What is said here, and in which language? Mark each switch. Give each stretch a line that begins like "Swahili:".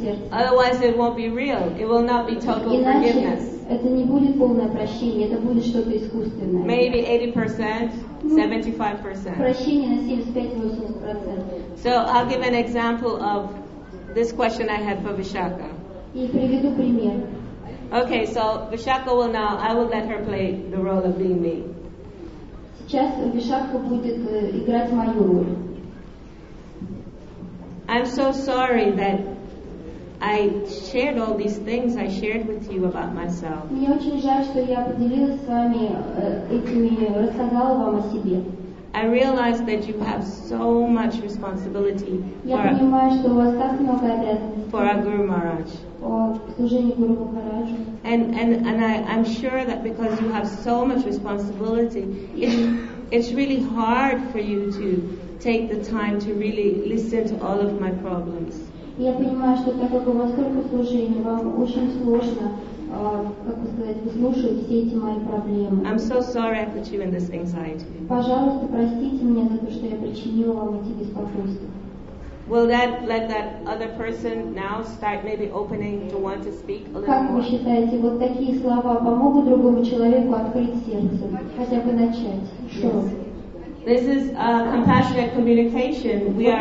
English: Otherwise, it won't be real. It will not be total forgiveness.
Russian: Это не будет полное прощение, это будет что-то искусственное.
English: Maybe 80%, 75%.
Russian: Прощение на 75-80%.
English: So I'll give an example of this question I had for Vishaka.
Russian: И приведу пример.
English: Okay, so Vishaka will now, I will let her play the role of being me.
Russian: Сейчас Vishaka будет играть мою роль.
English: I'm so sorry that I shared all these things I shared with you about myself.
Russian: Мне очень жаль, что я поделилась с вами этими, рассказала вам о себе.
English: I realize that you have so much responsibility for our Guru Maharaj. And I'm sure that because you have so much responsibility, it's really hard for you to take the time to really listen to all of my problems.
Russian: Я понимаю, что так как у вас столько служений, вам очень сложно, как бы сказать, выслушивать все эти мои проблемы.
English: I'm so sorry I put you in this anxiety.
Russian: Пожалуйста, простите меня за то, что я причинила вам эти беспокойства.
English: Will that let that other person now start maybe opening to want to speak a little
Russian: Как вы считаете, вот такие слова помогут другому человеку открыть сердце, хотя бы начать? Что?
English: This is compassionate communication.